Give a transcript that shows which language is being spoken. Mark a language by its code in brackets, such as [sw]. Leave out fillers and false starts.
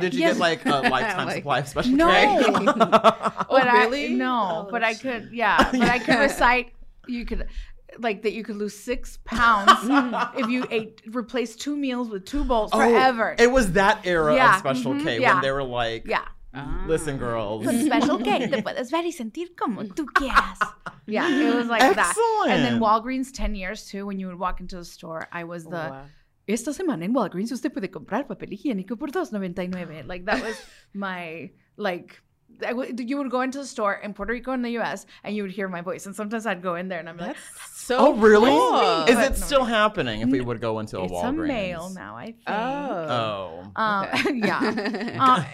[en] Did you yes. get like a lifetime like, supply of Special no. K? No. Oh, really? No. Oh, but I could. Yeah. But I could recite. You could, like that. You could lose 6 pounds if you replaced two meals with two bowls forever. It was that era of Special K when they were like. Yeah. Listen, girls. [es] Con Special K, te puedes ver y sentir como tú quieras. [en] Yeah, it was like excellent. That. And then Walgreens, 10 years too, when you would walk into the store, I was the, wow. [es] Esta semana en Walgreens usted puede comprar papel higiénico por $2.99. [en] Like, that was my, like, you would go into the store in Puerto Rico and the U.S. and you would hear my voice. And sometimes I'd go in there and I'm that's like, that's so oh, really? Cool. Is but it no, still no. happening if we would go into a it's Walgreens? It's a male now, I think. Oh. Oh. Okay. yeah.